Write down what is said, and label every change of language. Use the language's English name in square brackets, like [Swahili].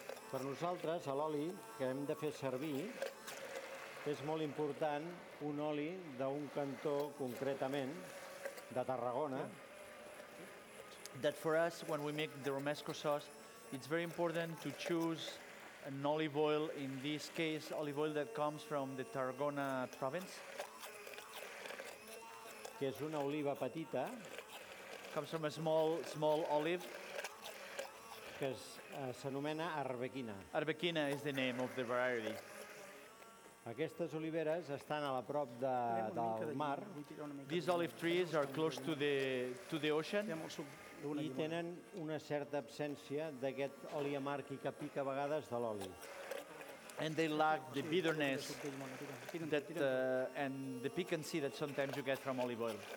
[Catalan] Per nosaltres, l'oli que hem de fer servir és molt important, un oli d'un cantó concretament de Tarragona. [English] That for us, when we make the romesco sauce, it's very important to choose an olive oil, in this case, olive oil that comes from the Tarragona province. [Catalan] Que és una oliva petita. [English] Comes from a small olive. [Catalan] Que és, s'anomena arbequina. [English] Arbequina is the name of the variety. [Catalan] Aquestes oliveres estan a la prop de, del mar. [English] These olive trees are close to the ocean. [Catalan] I tenen una certa absència d'aquest oli amàrquic que pica a vegades de l'oli. [English] And they lack the bitterness that, and the piquancy that sometimes you get from olive oil.